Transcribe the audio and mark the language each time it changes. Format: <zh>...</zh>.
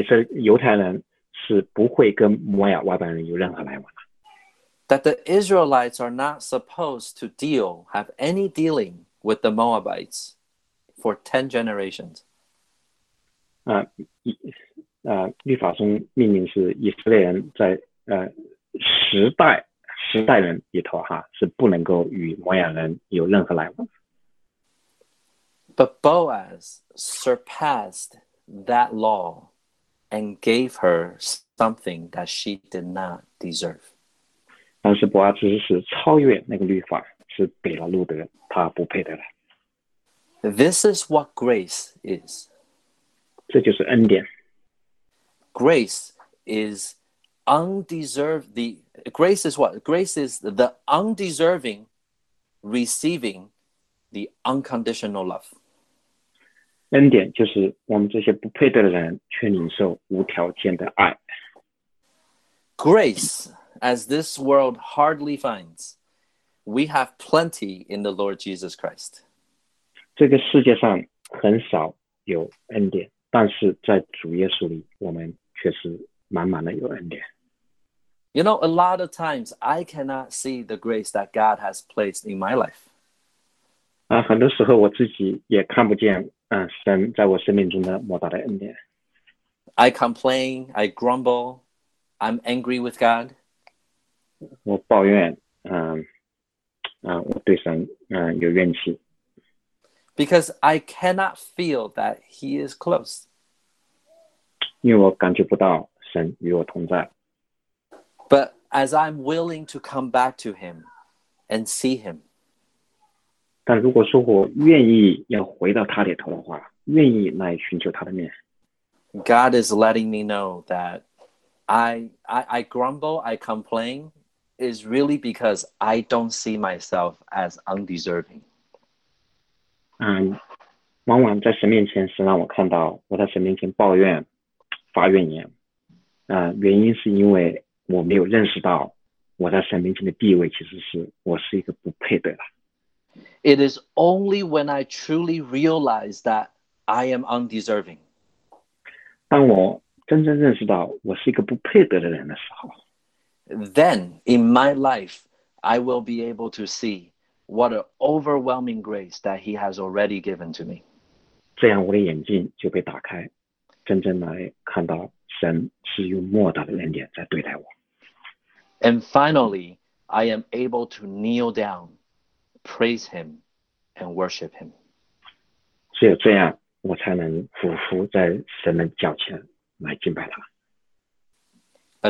<zh>犹太人是不会跟摩亚外邦人有任何来往的。</zh> <en>That the Israelites are not supposed to deal, have any dealing with the Moabites for 10 generations.</en> <zh>律法中命令是以色列人在十代人里头是不能够与摩亚人有任何来往。</zh> <en>But Boaz surpassed that law and gave her something that she did not deserve.</en> <zh>但是伯阿兹是超越那个律法，是给了路德他不配得的。</zh> <en>This is what grace is.</en> <zh>这就是恩典。</zh> <en>Grace is undeserved. The grace is what? Grace is the undeserving receiving the unconditional love.</en> <zh>恩典就是我们这些不配得的人却领受无条件的爱。</zh> <en>Grace, as this world hardly finds, we have plenty in the Lord Jesus Christ.</en> <zh>这个世界上很少有恩典，但是在主耶稣里，我们却是满满的有恩典。</zh> <en>You know, a lot of times I cannot see the grace that God has placed in my life.</en> <zh>很多时候我自己也看不见，神在我生命中的莫大的恩典。</zh> <en>I complain, I grumble, I'm angry with God.</en> <zh>我抱怨，我对神，有怨气。</zh> <en>Because I cannot feel that He is close.</en> <zh>因为我感觉不到神与我同在。</zh> <en>But as I'm willing to come back to Him and see Him,</en> <zh>但如果说我愿意要回到他里头的话，愿意来寻求他的面。</zh> <en>God is letting me know that I grumble, I complain, is really because I don't see myself as undeserving.</en> <zh>往往在神面前是让我看到我在神面前抱怨、发怨言。原因是因为我没有认识到我在神面前的地位，其实是我是一个不配的。</zh> <en>It is only when I truly realize that I am undeserving.</en> <zh>当我真正认识到我是一个不配得的人的时候，</zh> <en>then in my life, I will be able to see what an overwhelming grace that He has already given to me.</en> <zh>这样我的眼睛就被打开，真正来看到神是用莫大的恩典在对待我。</zh> <en>And finally, I am able to kneel down. Praise Him and worship Him.</en> <zh>只有这样，我才能俯伏在神的脚前来敬拜他。</zh>